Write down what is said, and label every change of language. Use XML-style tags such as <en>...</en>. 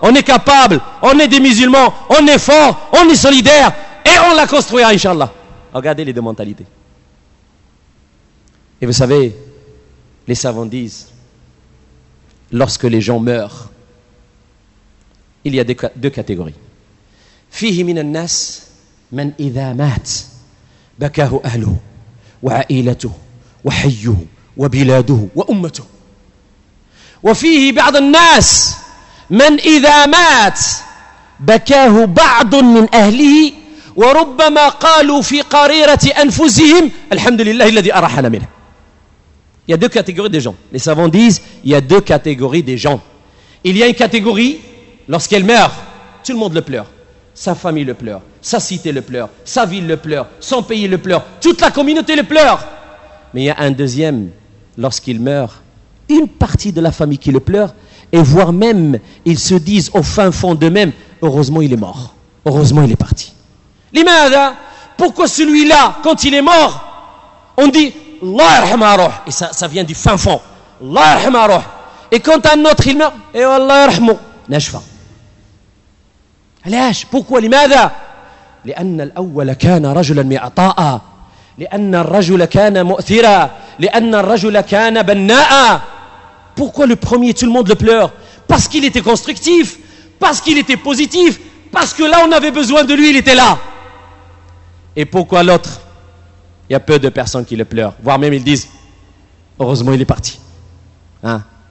<fr>On est capable, on est des musulmans, on est fort, on est solidaire. Et on la construira, Inch'Allah. Regardez les deux mentalités. Et vous savez, les savants disent, lorsque les gens meurent, il y a deux catégories.</fr> <ar>فيه من الناس من إذا مات بكاه أهله وعائلته وحيه وبلاده وأمته وفيه بعض الناس من إذا مات بكاه بعض من أهله وربما قالوا في قريرة أنفسهم الحمد لله الذي أرحل منه.</ar> <fr>Il y a deux catégories des gens. Les savants disent, il y a deux catégories des gens. Il y a une catégorie, lorsqu'elle meurt, tout le monde le pleure. Sa famille le pleure, sa cité le pleure, sa ville le pleure, son pays le pleure, toute la communauté le pleure. Mais il y a un deuxième, lorsqu'il meurt, une partie de la famille qui le pleure, et voire même, ils se disent au fin fond d'eux-mêmes, heureusement il est mort, heureusement il est parti. Limada, pourquoi celui-là, quand il est mort, on dit,</fr> <ar>Allah yarhamah rouh,</ar> <fr>et ça vient du fin fond, Allah yarhamah rouh. Et quand un autre il meurt, et Allah yarhamah.</fr> <ar>علاش</ar> <fr>بوكو</fr> <ar>لماذا لان الاول كان رجلا معطاء لان الرجل كان مؤثرا لان الرجل كان بناء</ar> <fr>بوكو لو بروميير tout le monde le pleure parce qu'il était constructif parce qu'il était positif parce que là on avait besoin de lui il était là et pourquoi l'autre il y a peu de personnes qui le pleurent voire même ils disent heureusement il est parti hein</fr>